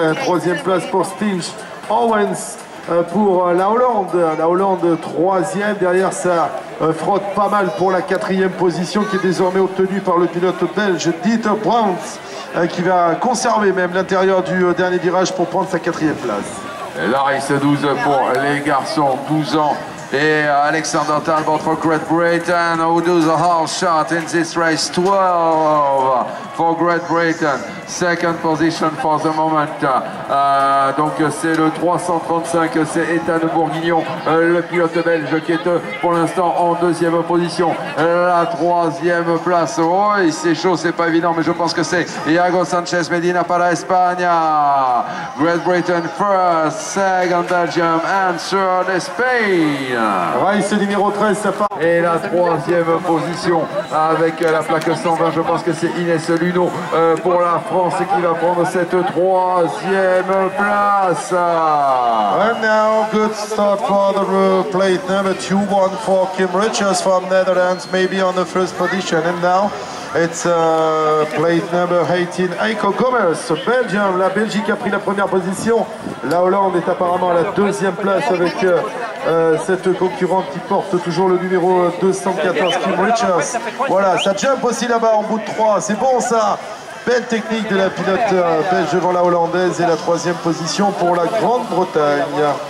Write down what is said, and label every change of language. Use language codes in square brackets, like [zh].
[fr] La troisième place pour Stinch Owens. Pour la Hollande troisième, derrière ça frotte pas mal pour la quatrième position qui est désormais obtenue par le pilote belge Dieter Brandt, qui va conserver même l'intérieur du dernier virage pour prendre sa quatrième place. La race 12 pour les garçons, 12 ans. [en] Et Alexander Talbot for Great Britain, who does a hard shot in this race, 12 for Great Britain, second position for the moment. [fr] Donc c'est le 335, c'est Ethan Bourguignon, le pilote belge qui est pour l'instant en deuxième position. La troisième place, oui, c'est chaud, c'est pas évident, mais je pense que c'est Iago Sanchez Medina [es] para España. [en] Great Britain first, second Belgium and third Spain. [fr] Race numéro 13, ça part. Et la troisième position avec la plaque 120, je pense que c'est Inès Luno pour la France qui va prendre cette troisième place. [en] And now, good start for the plate number 2-1 for Kim Richards from Netherlands, maybe on the first position. And now, it's plate number 18, Eiko Gomez, Belgium. [fr] La Belgique a pris la première position. La Hollande est apparemment à la deuxième place avec cette concurrente qui porte toujours le numéro 214, Kim Richards. Voilà, ça jump aussi là-bas en bout de 3. C'est bon ça. Belle technique de la pilote belge devant la hollandaise et la troisième position pour la Grande-Bretagne.